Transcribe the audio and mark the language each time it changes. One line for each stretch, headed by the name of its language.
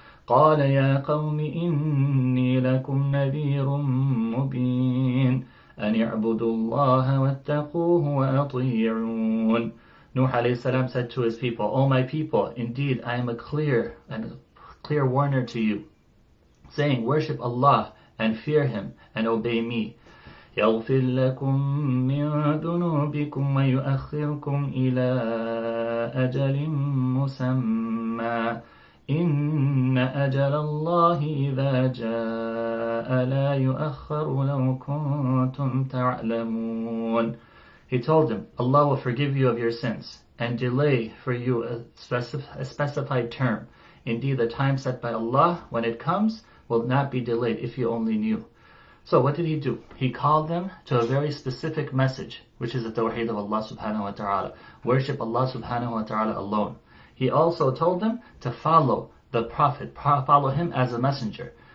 Arabic: قَالَ يَا قَوْمِ إِنِّي لَكُمْ نَذِيرٌ مُّبِينٌ أن يعبدوا الله واتقوه وأطيعون.
English: Nuh alayhi salam said to his people, O my people, indeed I am a clear warner to you, saying, Worship Allah and fear Him and obey me.
Arabic: يغفر لكم من ذنوبكم ويؤخركم إلى أجل مسمى إن أجل الله إذا جاء لا يؤخر لو كنتم تعلمون
English: He told them, Allah will forgive you of your sins and delay for you a specified term. Indeed, the time set by Allah, when it comes, will not be delayed if you only knew. So what did he do? He called them to a very specific message, which is the tawheed of Allah subhanahu wa ta'ala. Worship Allah subhanahu wa ta'ala alone. He also told them to follow the Prophet, follow him as a messenger.